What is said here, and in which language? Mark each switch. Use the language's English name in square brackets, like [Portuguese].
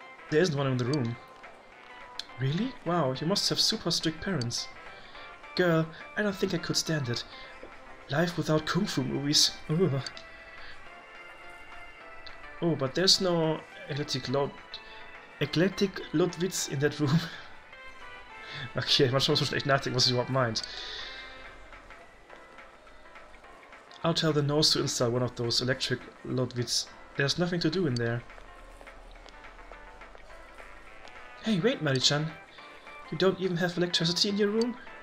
[English] There isn't one in the room. Really? Wow, you must have super strict parents. Girl, I don't think I could stand it. Life without kung fu movies. Ugh. Oh, but there's no Eclectic Ludwitz in that room. [German] Okay, manchmal muss man schlecht nachdenken, was sie überhaupt meint. [English] I'll tell the nurse to install one of those electric Ludwitz. There's nothing to do in there. Hey, wait, Mary-chan. You don't even have electricity in your room?